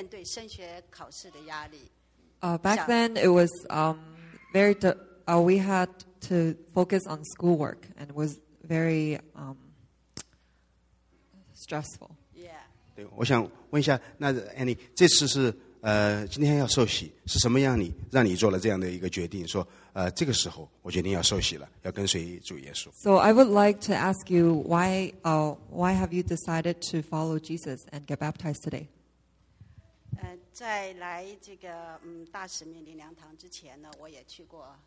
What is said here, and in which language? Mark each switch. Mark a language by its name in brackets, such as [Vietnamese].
[Chinese] 那个时候因为功课的压力很大，在台湾我们必须要有面对升学考试的压力。 [English] Back then it was very we had to focus on schoolwork and it was very stressful. Yeah. [Chinese] 对，我想问一下，那Annie，这次是今天要受洗，是什么样你让你做了这样的一个决定？说这个时候我决定要受洗了，要跟随主耶稣。 [English] So I would like to ask you why have you decided to follow Jesus and get baptized today? [Chinese] 在来这个大使命灵粮堂之前呢，我也去过。